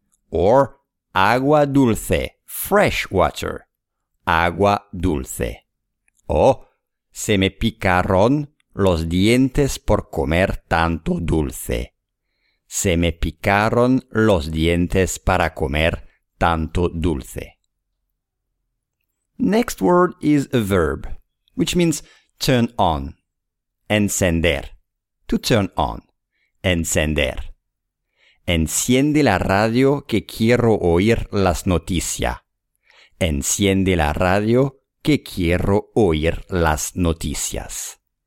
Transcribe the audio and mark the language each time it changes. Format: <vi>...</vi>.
<en>Or agua dulce, fresh water.</en> <es>Agua dulce. O se me picaron los dientes por comer tanto dulce. Se me picaron los dientes para comer tanto dulce.</es> <en>Next word is a verb, which means turn on. Encender. To turn on. Encender.</en> <es>Enciende la radio que quiero oír las noticias. Enciende la radio que quiero oír las noticias.</es>